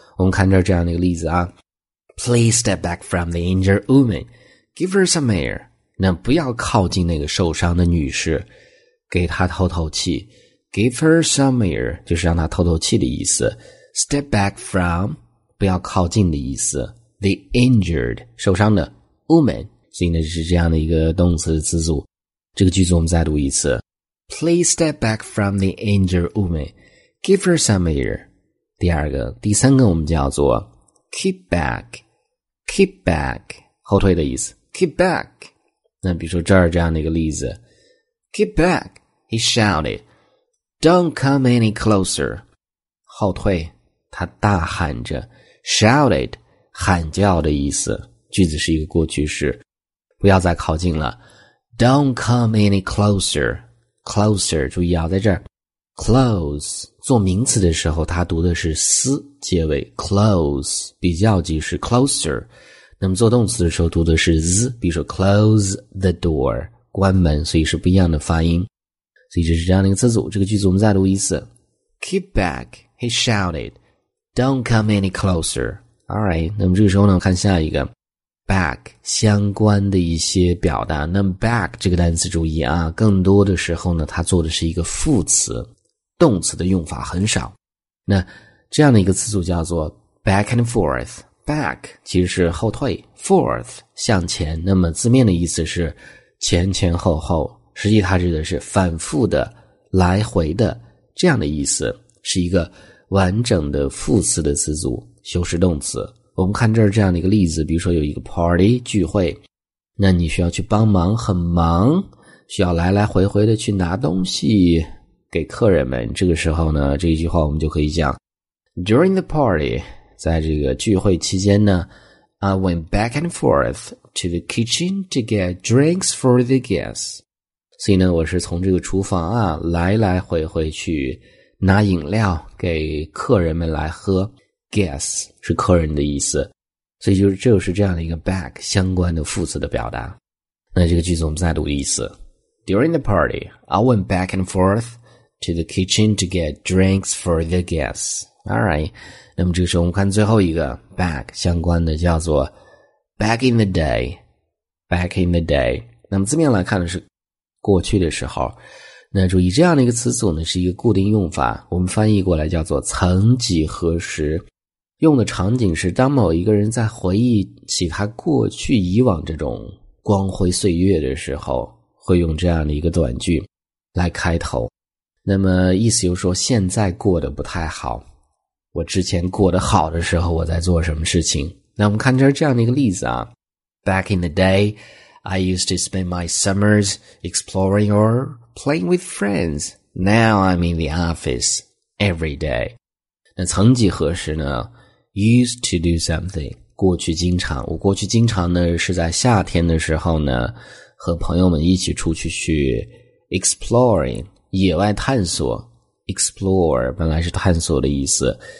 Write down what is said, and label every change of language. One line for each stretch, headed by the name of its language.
Chinese: 我们看这样的一个例子啊，
English: please step back from the injured woman, give her some air,
Chinese: 那不要靠近那个受伤的女士，给她透透气，
English: give her some air,
Chinese: 就是让她透透气的意思，
English: step back from,
Chinese: 不要靠近的意思，
English: the injured,
Chinese: 受伤的 woman, 所以呢是这样的一个动词的词组。这个句子我们再读一次。
English: Please step back from the injured woman. Give her some air.
Chinese: 第二个，第三个我们叫做 keep back.
English: Keep back.
Chinese: 后退的意思。
English: Keep back.
Chinese: 那比如说这样的一个例子。
English: Keep back. He shouted. Don't come any closer.
Chinese: 后退。他大喊着。Shouted. 喊叫的意思。句子是一个过去式。不要再靠近了。
English: Don't come any closer,
Chinese: closer, 注意啊，在这儿 close, 做名词的时候它读的是思结尾 close, 比较级是 closer, 那么做动词的时候读的是 z, 比如说
English: close the door,
Chinese: 关门，所以是不一样的发音。所以这是这样的一个词组，这个句子我们再读一次。
English: Keep back, he shouted, don't come any closer.
Chinese: Alright, 那么这个时候呢，看下一个。back 相关的一些表达，那 back 这个单词注意啊，更多的时候呢它做的是一个副词，动词的用法很少。那这样的一个词组叫做 back and forth, back 其实是后退， forth 向前，那么字面的意思是前前后后，实际它指的是反复的，来回的，这样的意思，是一个完整的副词的词组，修饰动词。我们看这样的一个例子，比如说有一个 party 聚会，那你需要去帮忙，很忙，需要来来回回的去拿东西给客人们。这个时候呢，这一句话我们就可以讲
English: During the party,
Chinese: 在这个聚会期间呢
English: I went back and forth to the kitchen to get drinks for the guests.
Chinese: 所以呢，我是从这个厨房啊来来回回去拿饮料给客人们来喝。 Guess 是客人的意思，所以就是这样的一个 back 相关的副词的表达。那这个句子我们再读一次。
English: During the party, I went back and forth to the kitchen to get drinks for the guests.
Chinese: Alright, 那么这个时候我们看最后一个 back 相关的叫做
English: back in the day,
Chinese: back in the day. 那么字面来看的是过去的时候。那注意这样的一个词组呢是一个固定用法，我们翻译过来叫做曾几何时，用的场景是当某一个人在回忆起他过去以往这种光辉岁月的时候，会用这样的一个短句来开头。那么意思就是说现在过得不太好，我之前过得好的时候我在做什么事情。那我们看这样的一个例子啊，
English: Back in the day I used to spend my summers exploring orPlaying with friends. Now I'm in the office every day.
Chinese: 那曾几何时呢
English: ?used to do something.
Chinese: 过去经常。我过去经常呢是在夏天的时候呢和朋友们一起出去去 exploring, 野外探索。 explore, 本来是探索的意思。